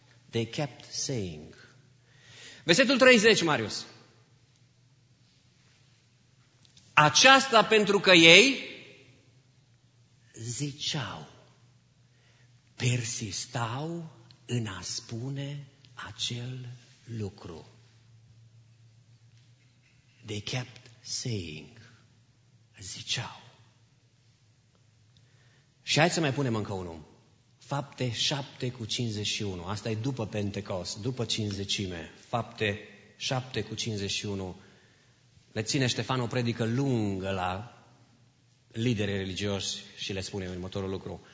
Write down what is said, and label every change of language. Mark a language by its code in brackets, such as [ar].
[en] They kept saying. [ro] Versetul 30, [en] Marius. [ro] Aceasta pentru că ei ziceau, persistau în a spune acel lucru. [en] They kept saying, [ro] ziceau. Și hai să mai punem încă unul. Fapte 7:51. Asta e după Pentecost, după cinzecime. Fapte 7:51. Le ține Ștefan o predică lungă la lideri religioși și le spune următorul lucru.